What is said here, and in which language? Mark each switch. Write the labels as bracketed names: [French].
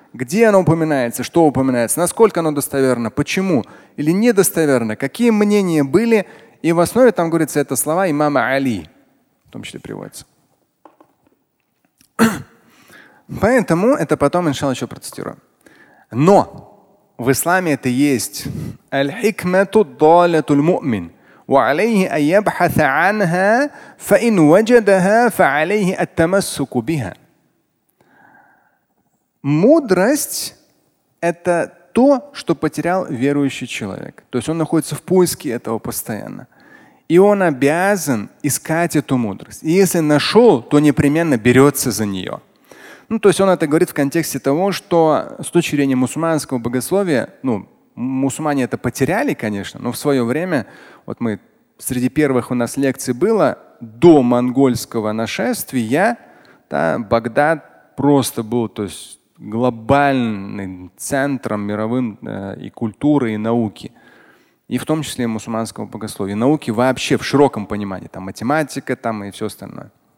[Russian] Где оно упоминается, что упоминается, насколько оно достоверно, почему или недостоверно, какие мнения были. И в основе там говорится это слова имама Али, в том числе приводится. Поэтому это потом, иншалла, еще процитирую. Но в исламе это есть. [Arabic] Аль-хикмату далятуль му'мин. وعليه أن يبحث عنها فإن وجدها فعليه التمسك بها. [Russian] Мудрость – это то, что потерял верующий человек. То есть он находится в поиске этого постоянно. И он обязан искать эту мудрость. И если нашел, то непременно берется за нее. Ну, то есть он это говорит в контексте того, что с точки зрения мусульманского богословия, ну, мусульмане это потеряли, конечно, но в свое время, вот мы среди первых у нас лекций было, до монгольского нашествия, да, Багдад просто был, то есть, глобальным центром мировым и культуры, и науки, и в том числе мусульманского богословия, и науки вообще в широком понимании, там математика, там и все остальное.